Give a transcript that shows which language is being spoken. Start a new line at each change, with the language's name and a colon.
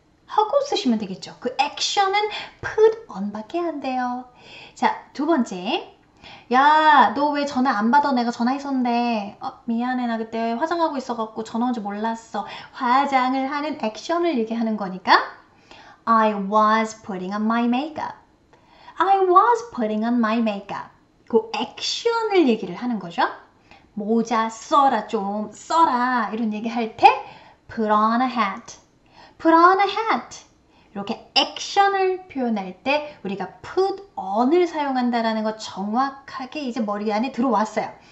Korean: 하고 쓰시면 되겠죠. 그 액션은 put on밖에 안 돼요. 자, 두 번째. 야, 너왜 전화 안 받아? 내가 전화했었는데. 미안해. 나 그때 화장하고 있어갖고 전화 온줄 몰랐어. 화장을 하는 액션을 이렇게 하는 거니까.
English: I was putting on my makeup. I was putting on my makeup.
Korean: 그 액션을 얘기를 하는 거죠. 모자 써라, 좀 써라. 이런 얘기 할 때.
English: Put on a hat. Put on a hat.
Korean: 이렇게 액션을 표현할 때 우리가 put on을 사용한다라는 거 정확하게 이제 머리 안에 들어왔어요.